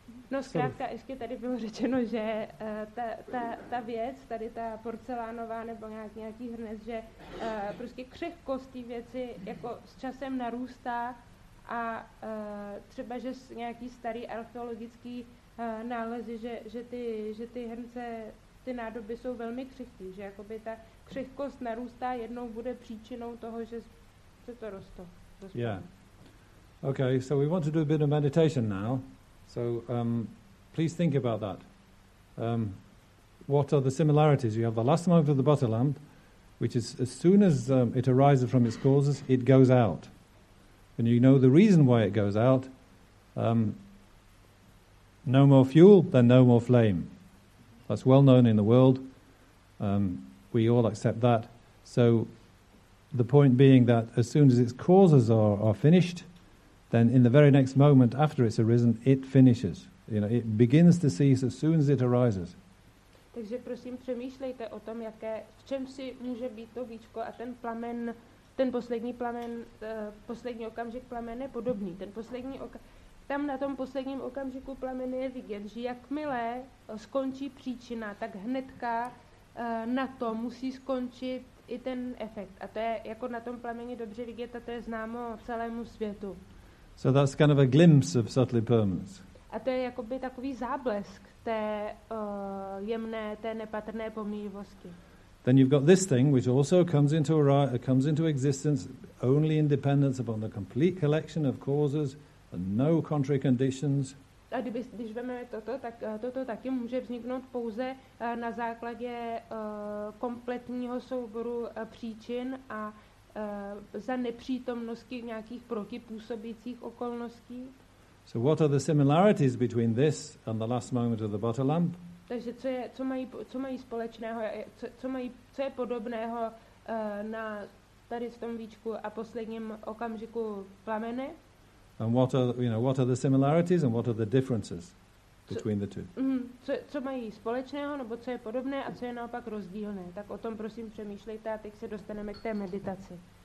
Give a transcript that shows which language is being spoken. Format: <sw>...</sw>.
<cs>No, zkrátka, ještě tady bylo řečeno, že ta věc, tady ta porcelánová nebo nějaký hrnec, že prostě křehkost té věci jako s časem narůstá a třeba, že s nějaký starý archeologický nálezy, že ty hrnce, ty nádoby jsou velmi křehký, že jakoby ta křehkost narůstá, jednou bude příčinou toho, že se to rosto.</cs> <en>Yeah. Okay, so we want to do a bit of meditation now. So please think about that. What are the similarities? You have the last moment of the butter lamp, which is as soon as it arises from its causes, it goes out. And you know the reason why it goes out. No more fuel, then no more flame. That's well known in the world. We all accept that. So the point being that as soon as its causes are finished, then in the very next moment after it's arisen, it finishes. You know, it begins to cease as soon as it arises.</en> <cs>Takže prosím, přemýšlejte o tom, jaké, v čem si může být to víčko a ten plamen, ten poslední plamen, poslední okamžik plamene podobný. Ten poslední tam na tom posledním okamžiku plamene je vidět, že jakmile skončí příčina, tak hnedka na to musí skončit i ten efekt. A to je jako na tom plameni dobře vidět, a to je známo celému světu.</cs> <en>So that's kind of a glimpse of subtle impermanence.</en> <cs>A to je jakoby takový záblesk té jemné, té nepatrné pomíjivosti.</cs> <en>Then you've got this thing, which also comes into existence only in dependence upon the complete collection of causes and no contrary conditions.</en> <cs>A když vezmeme toto, tak toto taky může vzniknout pouze na základě kompletního souboru příčin a za nepřítomnosti nějakých protipůsobících okolností.</cs> <en>So what are the similarities between this and the last moment of the butter lamp?</en> <cs>Takže co mají společného, co je podobného na tady v tom víčku a posledním okamžiku plamene?</cs> <en>And what are the similarities and what are the differences between the two?</en> <cs>Co mají společného, nebo co je podobné a co je naopak rozdílné? Tak o tom prosím přemýšlejte a teď se dostaneme k té meditaci.</cs>